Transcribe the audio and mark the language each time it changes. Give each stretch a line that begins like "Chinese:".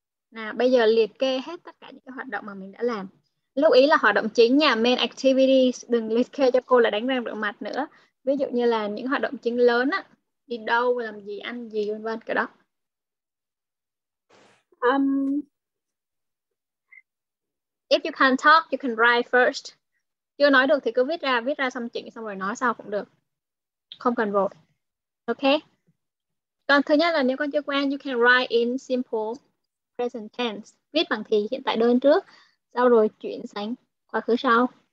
Vietnamese: Nào, bây giờ liệt kê hết tất cả những cái hoạt động mà mình đã làm. Lưu ý là hoạt động chính nha,
English: main activities,
Vietnamese: đừng liệt kê cho cô là đánh răng rửa mặt nữa. Ví dụ như là những hoạt động chính lớn á, đi đâu, làm gì, ăn gì, vân vân, cái đó.
English: If you can't talk, you can write first.
Vietnamese: Chưa nói được thì cứ viết ra xong chỉnh xong rồi nói sau cũng được. Không cần vội. Ok. Còn thứ nhất là nếu con chưa quen,
English: you can write in simple present tense,
Vietnamese: viết bằng thì hiện tại đơn trước, sau rồi chuyển sang quá khứ sau.